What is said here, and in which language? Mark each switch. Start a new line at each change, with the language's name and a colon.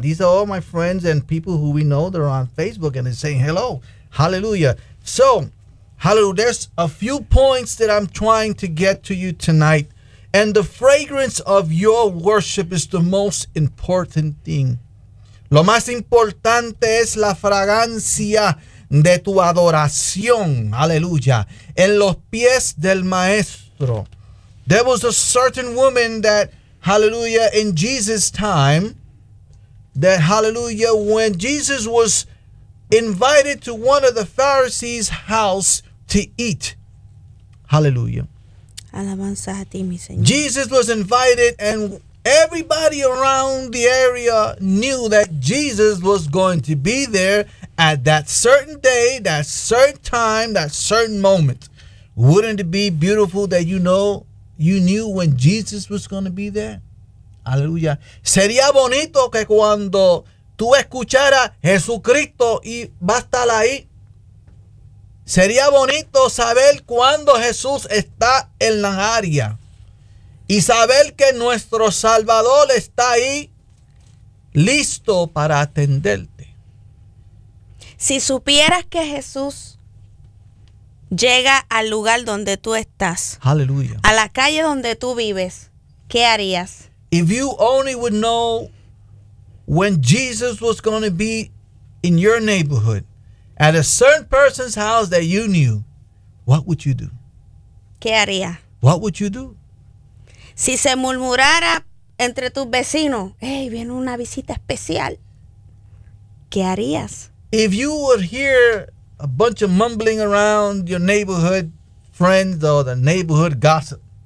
English: These are all my friends and people who we know that are on Facebook and they're saying hello. Hallelujah. So, hallelujah. There's a few points that I'm trying to get to you tonight. And the fragrance of your worship is the most important thing.
Spanish: Lo más importante es la fragancia de tu adoración. Aleluya. En los pies del maestro.
English: There was a certain woman that, hallelujah, in Jesus' time, that, hallelujah, when Jesus was invited to one of the Pharisees' house to eat. Hallelujah.
Spanish: Alabanza a ti, mi Señor.
English: Jesus was invited, and everybody around the area knew that Jesus was going to be there at that certain day, that certain time, that certain moment. Wouldn't it be beautiful that you know, you knew when Jesus was going to be there?
Spanish: Aleluya. Sería bonito que cuando tú escucharas Jesucristo y va a estar ahí. Sería bonito saber cuándo Jesús está en la área. Y saber que nuestro Salvador está ahí listo para atenderte. Si supieras que Jesús llega al lugar donde tú estás. Aleluya. A la calle donde tú vives. ¿Qué harías?
English: If you only would know when Jesus was going to be in your neighborhood, at a certain person's house that you knew, what would you do?
Spanish: ¿Qué haría?
English: What would you do?
Spanish: Si se murmurara entre tus vecinos, hey, viene una visita especial. ¿Qué harías?
English: If you would hear a bunch of mumbling around your neighborhood friends or the neighborhood gossip.